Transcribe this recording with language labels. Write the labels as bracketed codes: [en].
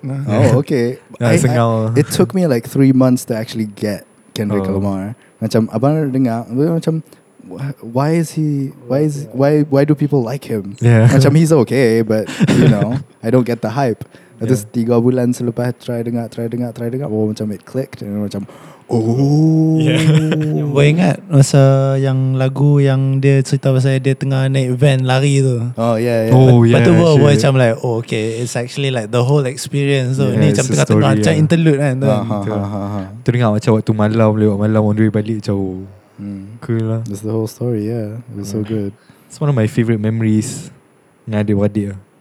[en] It took me like 3 months to actually get Kendrick Lamar. [ms] Macam abang dengar macam [en] why do people like him? Yeah. Macam he's okay, but you know, I don't get the hype. Just [ms] 3 bulan selepas [en] try dengar, oh, macam it clicked and macam [ms] Boleh ingat masa yang lagu yang dia cerita pasal dia tengah naik van lari tu. Lepas tu boleh macam [en] like okay, it's actually like the whole experience. [ms] So ni macam tengah-tengah macam interlude kan. Tu dengar macam waktu malam, lewat malam [en] on the way [ms] balik macam cool lah. [en] That's the whole story. Yeah. It was so good. It's one of my favorite memories. Ngadi-wadi